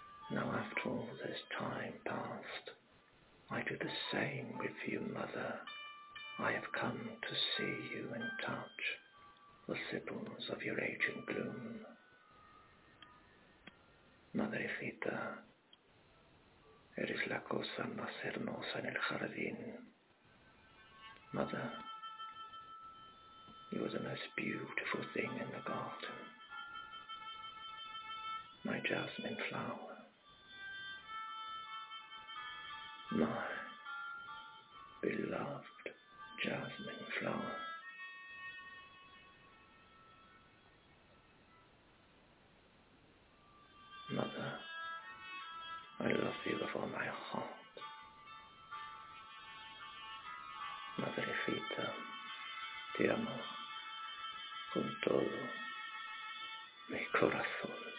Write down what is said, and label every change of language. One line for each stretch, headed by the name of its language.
English: Now after all this time past, I do the same with you, Mother. I have come to see you and touch the sepals of your aging bloom.
Spanish: Madrecita, eres la cosa más hermosa en el jardín.
English: Mother, you are the most beautiful thing in the garden. My jasmine flower. My beloved jasmine flower. Mother, I love you with all my heart.
Spanish: Madrecita, te amo con todo mi corazón.